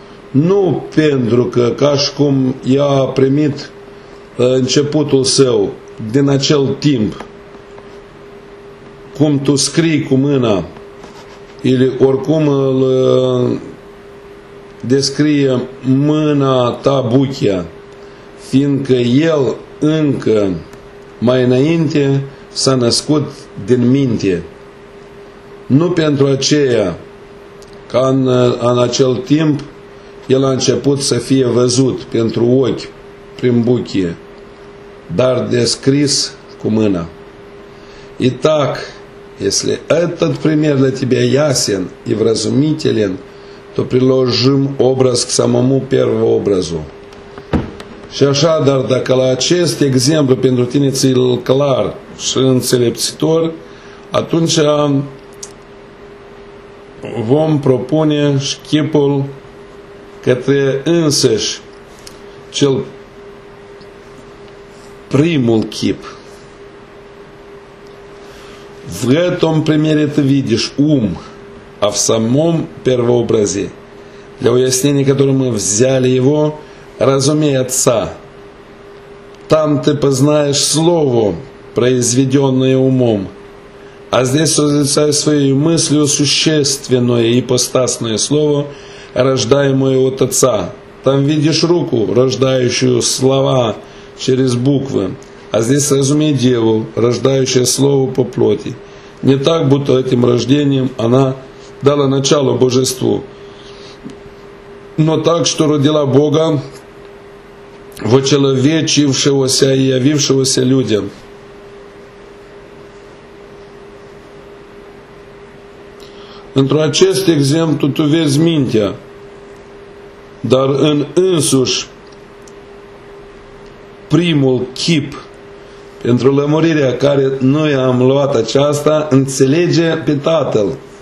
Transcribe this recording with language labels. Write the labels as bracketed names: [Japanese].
[Romanian] Nu pentru că ca și cum ea a primit începutul său din acel timp cum tu scrii cu mâna [Russian] или [Romanian] oricum îl descrie mâna ta buchia, fiindcă el încă mai înainte s-a născut din minte. Nu pentru aceea că în acel timp el a început să fie văzut pentru ochi prin buchie, dar descris cu mâna. [Russian] И так, если этот пример для тебя ясен и вразумителен, то приложим образ к самому первообразу. [Romanian] Și așadar, dacă la acest exemplu pentru tine ți-l clar și înțelepțitor, atunci vom propune șchipul către însăși cel primul chip. [Russian] В этом примере ты видишь ум, а в самом первообразе, для уяснения которого мы взяли его, разумей отца. Там ты познаешь слово, произведенное умом, а здесь созерцаешь своей мыслью существенное ипостасное слово, рождаемое от отца. Там видишь руку, рождающую слова через буквы, а здесь разумей деву, рождающее слово по плоти. Не так, будто этим рождением она дала начало божеству, но так, что родила Бога, вочеловечившегося и явившегося людям. [Romanian] Într-un acest exemplu tu vezi mintea, dar în însuși primul chip pentru lămurirea care noi am luat aceasta, înțelege pe Tatăl.